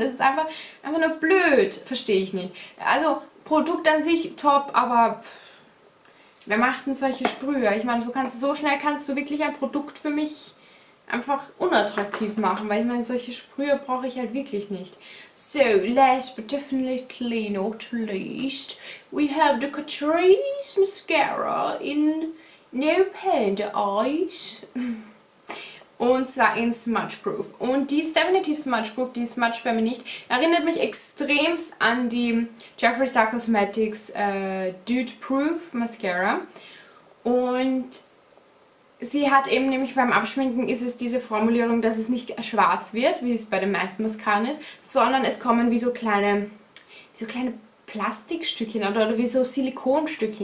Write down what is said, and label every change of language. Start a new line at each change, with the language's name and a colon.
German: Das ist einfach nur blöd. Verstehe ich nicht. Also Produkt an sich top, aber wer macht denn solche Sprüher? Ich meine, so schnell kannst du wirklich ein Produkt für mich einfach unattraktiv machen, weil ich meine, solche Sprüher brauche ich halt wirklich nicht.
English: So, last but definitely not least, we have the Catrice Mascara in No Panda Eyes.
German: Und zwar in Smudgeproof. Und die ist definitiv Smudgeproof, die Smudge bei mir nicht. Erinnert mich extremst an die Jeffree Star Cosmetics Dude Proof Mascara. Und sie hat eben nämlich beim Abschminken ist es diese Formulierung, dass es nicht schwarz wird, wie es bei den meisten Mascaren ist, sondern es kommen wie so kleine Plastikstückchen oder wie so Silikonstückchen.